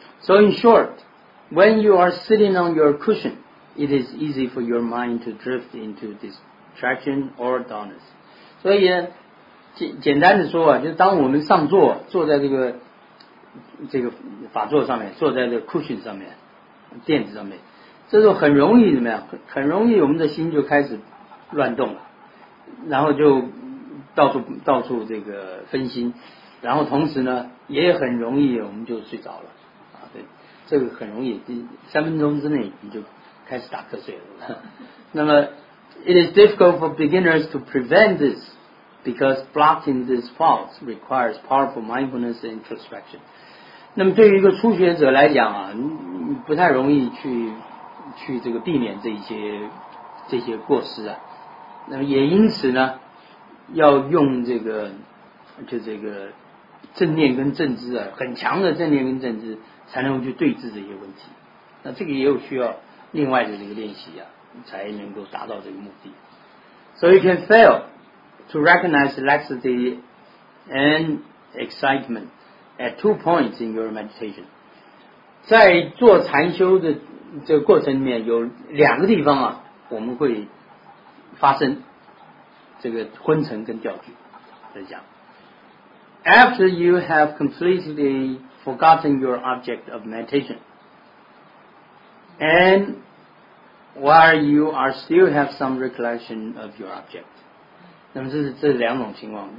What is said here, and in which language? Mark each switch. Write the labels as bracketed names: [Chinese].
[English] So in short, when you are sitting on your cushion, it is easy for your mind to drift into distraction or dullness. [Chinese] 所以简单的说啊，就是当我们上座，坐在这个法座上面，坐在这个 cushion 上面，垫子上面，这时候很容易怎么样？很容易我们的心就开始乱动了，然后就到处这个分心，然后同时呢，也很容易我们就睡着了啊。对，这个很容易，三分钟之内你就开始打瞌睡了。那么 [English] ，it is difficult for beginners to prevent this. Because blocking these faults requires powerful mindfulness and introspection. [Chinese] 那么对于一个初学者来讲啊，不太容易去这个避免这些过失啊。那么也因此呢，要用这个就这个正念跟正知啊，很强的正念跟正知，才能去对治这些问题。那这个也有需要另外的这个练习啊，才能够达到这个目的。 [English] So you can fail to recognize laxity and excitement at two points in your meditation. [Chinese] 在做禅修的这个过程里面有两个地方啊，我们会发生这个昏沉跟掉举。 [English] After you have completely forgotten your object of meditation, and while you are still have some recollection of your object, [Chinese] 那么这是两种情况。